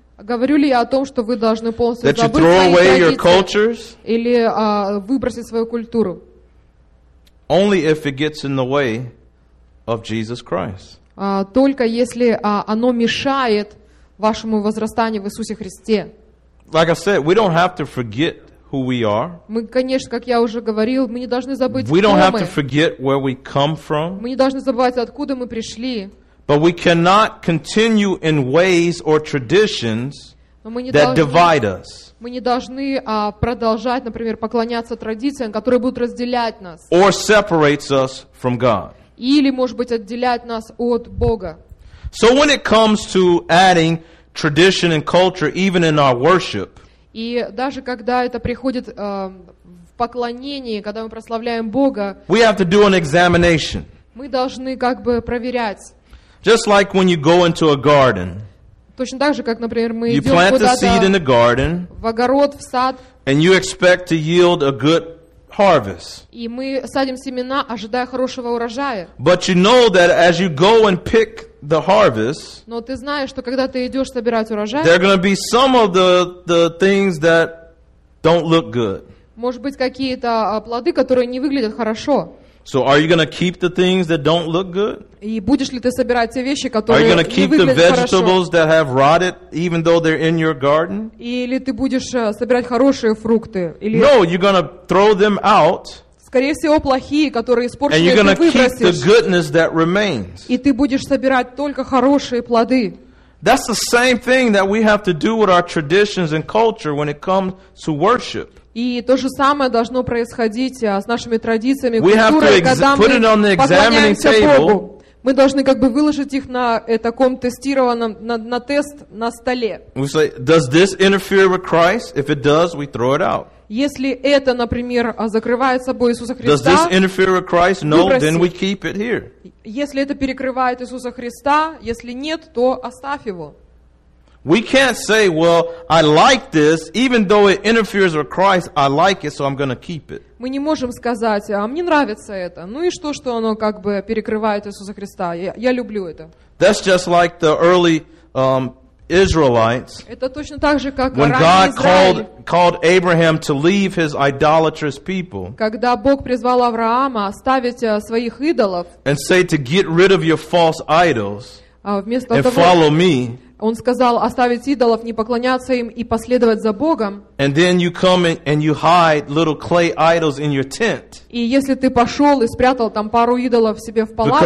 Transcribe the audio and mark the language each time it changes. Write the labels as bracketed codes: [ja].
[ru] Говорю ли я о том, что вы должны полностью [en] that [ru] забыть [en] you throw [ru] свои [en] away your cultures? [ru] Или выбросить свою культуру? [en] Only if it gets in the way of Jesus Christ. [ru] Только если оно мешает вашему возрастанию в Иисусе Христе. [en] Like I said, we don't have to forget who we are. [ru] Мы, конечно, как я уже говорил, мы не должны забыть, кто мы. [en] We don't have to forget where we come from. [ru] Мы не должны забывать, откуда мы пришли. [en] But we cannot continue in ways or traditions that divide us. [ru] Мы не должны продолжать, например, поклоняться традициям, которые будут разделять нас. [en] Or separates us from God. [ru] Или, может быть, отделять нас от Бога. [en] So when it comes to adding tradition and culture even in our worship, [ru] и даже когда это приходит в поклонение, когда мы прославляем Бога, [en] we have to do an examination. [ru] Мы должны как бы проверять. [en] Just like when you go into a garden, [ru] точно так же, как, например, мы [en] you plant a seed in the garden, [ru] в огород, в сад, [en] and you expect to yield a good harvest. [ru] И мы садим семена, ожидая хорошего урожая. [en] But you know that as you go and pick the harvest, [ru] но ты знаешь, что когда ты идешь собирать урожай, [en] there are going to be some of the things that don't look good. [ru] Может быть, какие-то плоды, которые не выглядят хорошо. [en] So are you going to keep the things that don't look good? [ru] И будешь ли ты собирать те вещи, которые не выглядят хорошо? [en] Are you going to keep the vegetables that have rotted, even though they're in your garden? [ru] Или ты будешь собирать хорошие фрукты? [en] No, you're going to throw them out. [ru] Скорее всего, плохие, которые испорчены, [en] and you're going to keep the goodness that remains. [ru] И ты будешь собирать только хорошие плоды. [en] That's the same thing that we have to do with our traditions and culture when it comes to worship. [ru] И то же самое должно происходить с нашими традициями, культурой, когда мы поклоняемся Богу. Мы должны как бы выложить их на таком тестированном, на тест на столе. Если это, например, закрывает собой Иисуса Христа, если это перекрывает Иисуса Христа, если нет, то оставь его. [en] We can't say, well, I like this, even though it interferes with Christ, I like it, so I'm going to keep it. [ru] Мы не можем сказать, а мне нравится это. Ну и что, что оно как бы перекрывает Иисуса Христа? Я люблю это. [en] That's just like the early Israelites. [ru] Это точно так же, как ранний [en] Израиль. When God called Abraham to leave his idolatrous people. [ru] Когда Бог призвал Авраама оставить своих идолов. [en] And say to get rid of your false idols. [ru] Вместо [en] and [ru] того, [en] follow me. [ru] Он сказал оставить идолов, не поклоняться им и последовать за Богом. [en] And then you come and you hide little clay idols in your tent. [ru] И если ты пошел и спрятал там пару идолов себе в палатке.